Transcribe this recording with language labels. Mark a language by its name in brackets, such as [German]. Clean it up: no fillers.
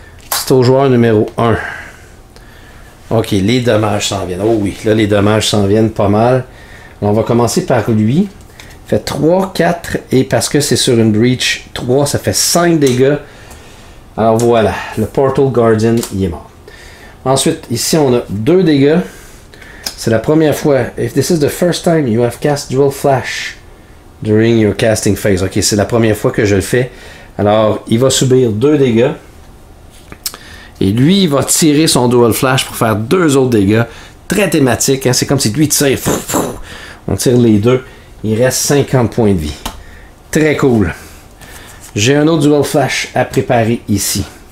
[French] C'est au joueur numéro 1. Ok, les dommages s'en viennent. Oh oui, là, les dommages s'en viennent pas mal. Alors, on va commencer par lui. Fait 3, 4, et parce que c'est sur une Breach 3, ça fait 5 dégâts. Alors voilà, le Portal Guardian, il est mort. Ensuite, ici, on a 2 dégâts. C'est la première fois. [English] If this is the first time you have cast Dual Flash during your casting phase. [French] Ok, c'est la première fois que je le fais. Alors, il va subir 2 dégâts. Et lui, il va tirer son Dual Flash pour faire 2 autres dégâts. Très thématique, hein? C'est comme si lui tire. On tire les deux. Il reste 50 points de vie. Très cool. J'ai un autre Dual Flash à préparer ici.